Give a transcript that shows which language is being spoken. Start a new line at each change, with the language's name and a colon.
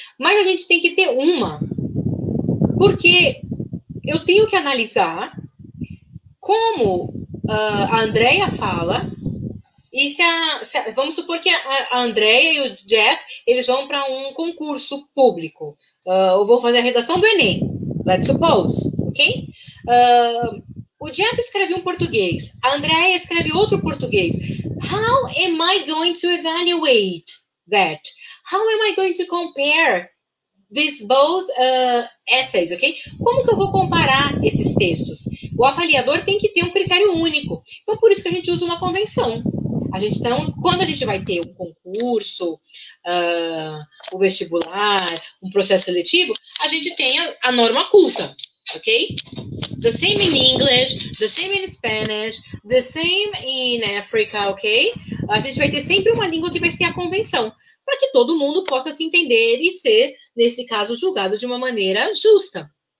Portuguese: Mas a gente tem que ter uma, porque eu tenho que analisar como a Andrea fala, e vamos supor que a Andrea e o Jeff, eles vão para um concurso público, ou vão fazer a redação do Enem,
English: let's suppose,
Portuguese: ok? O Jeff escreve um português, a Andrea escreve outro português.
English: How am I going to evaluate that? How am I going to compare these both essays, ok?
Portuguese: Como que eu vou comparar esses textos? O avaliador tem que ter um critério único. Então, por isso que a gente usa uma convenção. A gente, então, quando a gente vai ter um concurso, um vestibular, um processo seletivo, a gente tem a norma culta, ok?
English: The same in English, the same in Spanish, the same in Africa, ok?
Portuguese: A gente vai ter sempre uma língua que vai ser a convenção, para que todo mundo possa se entender e ser, nesse caso, julgado de uma maneira justa.